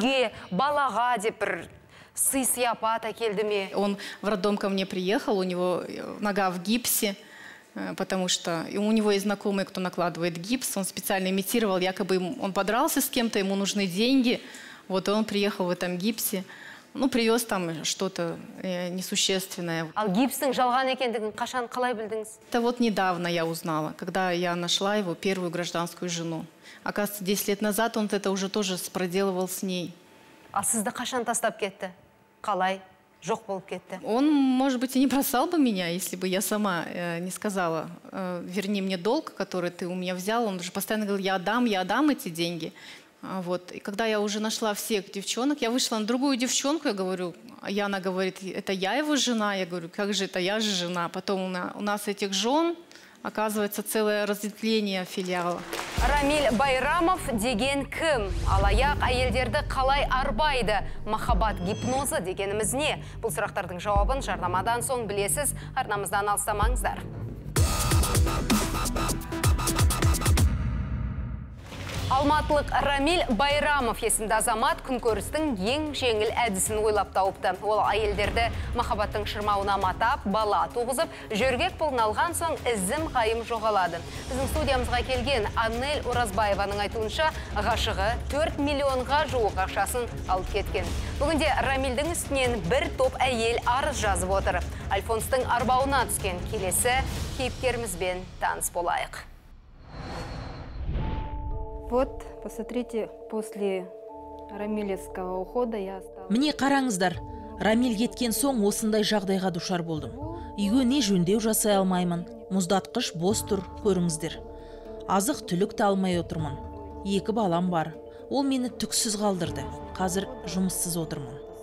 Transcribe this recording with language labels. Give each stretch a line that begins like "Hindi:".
Kazakh: Үйге балаға деп сыйсияпата келді ме?
Russian: Он в роддом ко мне приехал, у него нога в гипсе. Потому что у него есть знакомые, кто накладывает гипс, он специально имитировал, якобы он подрался с кем-то, ему нужны деньги, вот и он приехал в этом гипсе, Ну, привез там что-то несущественное.
Kazakh: Ал гипстың жалған екендігін қашан қалай білдіңіз?
Russian: Это вот недавно я узнала, когда я нашла его первую гражданскую жену. Оказывается, 10 лет назад он это уже тоже проделывал с ней.
Kazakh: А сізді қашан тастап кетті? Қалай? Жоқ болып кетті?
Russian: Он, может быть, и не бросал бы меня, если бы я сама не сказала, верни мне долг, который ты у меня взял. Он же постоянно говорил, я отдам эти деньги. Вот. И когда я уже нашла всех девчонок, я вышла на другую девчонку, я говорю, и она говорит, это я его жена. Я говорю, как же это, я же жена. Потом у нас этих жен, оказывается, целое разветвление филиала.
Kazakh: Рамиль Байрамов деген кім? Алаяқ айелдерді қалай арбайды? Махаббат гипнозы дегеніміз не? Бұл сұрақтардың жауабын жарнамадан соң білесіз. Арнамыздан алыстамаңыздар. Алматылық Рамиль Байрамов есімді азамат күнкөрістің ең жеңіл әдісін ойлап тауыпты. Ол айелдерді махаббаттың шырмауына матап, бала туғызып, жөргек болын алған соң ізім қайым жоғалады. Біздің студиямызға келген Аннель Оразбаеваның айтуынша, ғашығы 4 миллионға жуық ақшасын алып кеткен. Бүгінде Рамильдің үстінен бір топ әйел арыз жазып отыр. Альфонстың арбауына түскен келесі кейіпкерімізбен таныс болайық.
Russian: Вот, посмотрите, после Рамилевского ухода я осталась.
Kazakh: Мне қараңыздар, Рамиль кеткен соң осындай жағдайға душар болдым. Үйге не жөндеу жасай алмаймын. Мұздатқыш бос тұр, көріңіздер. Азық түлік та алмай отырмын. Екі балам бар. Ол мені түксіз қалдырды. Қазір жұмыссыз отырмын.